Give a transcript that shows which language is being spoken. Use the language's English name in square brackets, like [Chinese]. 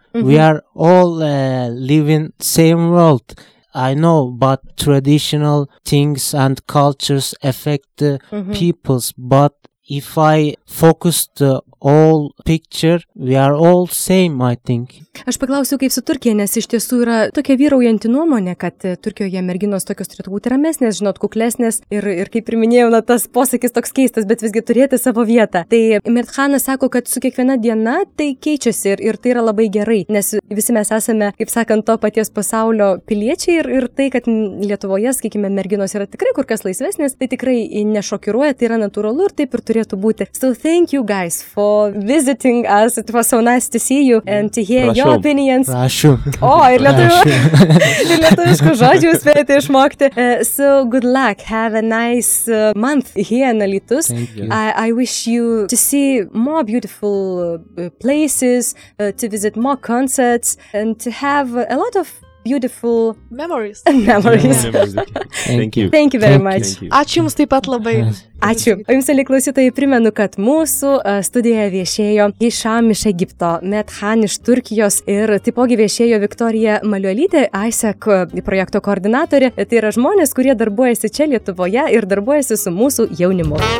[English] We are all living same world, I know, but traditional things and cultures affect the peoples. But if I focus the all picture, we are all same, I think. [Lithuanian] Aš paklausiu, kaip su Turkija, nes iš tiesų yra tokia vyraujanti nuomonė, kad Turkijoje merginos tokios turėtų būti ramesnės, žinot, kuklesnės ir kaip ir minėjau, na, tas posakis toks keistas, bet visgi turėti savo vietą. Tai Mirthanas sako, kad su kiekviena diena tai keičiasi ir tai yra labai gerai, nes visi mes esame, kaip sakant, to paties pasaulio piliečiai ir tai, kad Lietuvoje, sakykime, merginos yra tikrai kur kas laisvesnės, tai tikrai nešokiruoja, tai yra natūralu ir taip ir turėtų būti. [English] So thank you guys for visiting us. It was so nice to see you and to hear your opinions. [Lithuanian] Prašu. O, ir lietuviškų žodžių spėjote išmokti. [English] So, good luck. Have a nice month here in Alytus. I wish you to see more beautiful places, to visit more concerts, and to have a lot of beautiful memories. Memories. Thank you. Thank you very much. [Lithuanian] Ačiū jums taip pat labai. Ačiū. O jums, mėly klausytojai, primenu, kad mūsų studijoje viešėjo Hisham iš Egipto, Mirthan iš Turkijos ir taipogi viešėjo Viktorija Maliolytė, ISAC projekto koordinatorė. Tai yra žmonės, kurie darbuojasi čia Lietuvoje ir darbuojasi su mūsų jaunimu.